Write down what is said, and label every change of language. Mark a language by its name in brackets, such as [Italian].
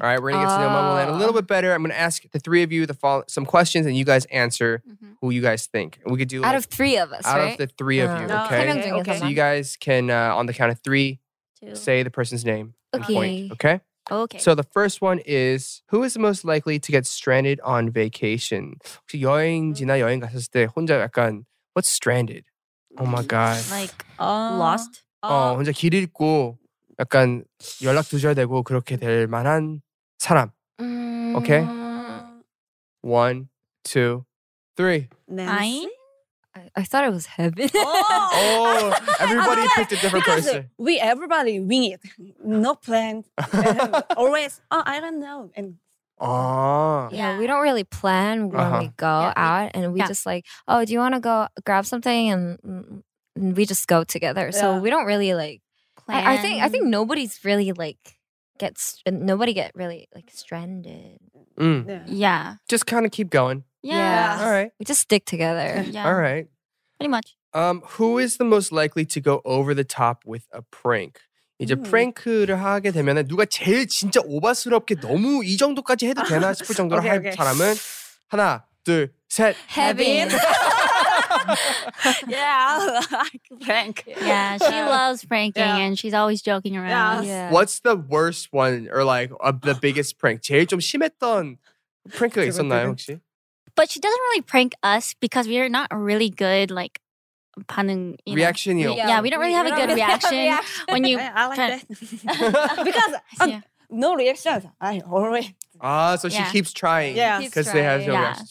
[English] All right, we're going to get to know Momoland a little bit better. I'm going to ask the three of you some questions and you guys answer who you guys think. We could do out of three of us, out of the three of you, okay? Okay. So you guys can, on the count of three, say the person's name. Okay. Point, okay? Okay. So the first one is, who is the most likely to get stranded on vacation? [Korean] 혹시 여행지나 여행 갔을 때 혼자 약간… [English] What's stranded? Oh my god. Like, lost? [Korean] 혼자 길 잃고 약간 연락 두절되고 그렇게 될 만한 사람. [English] Okay? One, two, three. Nine? I thought it was heaven. Oh, everybody picked a different person. We everybody wing it. No plan. Always. Oh, I don't know. And Yeah, we don't really plan when we go out. And we just like, oh, do you want to go grab something? And we just go together. Yeah. So we don't really like plan. I think nobody's really like gets nobody get really like stranded. Mm. Yeah. Yeah. Just kind of keep going. Yeah. All right. We just stick together. Yeah. All right. Pretty much. Who is the most likely to go over the top with a prank? [Korean] 이제 프랭크를 하게 되면 누가 제일 진짜 오버스럽게 너무 이 정도까지 해도 되나 싶을 정도로 okay, 할 okay. 사람은 하나, 둘, 셋. [English] Heaven. Yeah, I like prank. Yeah, she loves pranking and she's always joking around. Yeah. What's the worst one or like the biggest prank? [Korean] 제일 좀 심했던 프랭크가 있었나요 혹시? [English] But she doesn't really prank us because we are not really good, like, 반응. Reaction. Yeah, yeah, we don't really have a good reaction. When you… I like that. Because no reactions. I always… Ah, so she keeps trying. Yeah. Because they have no reaction.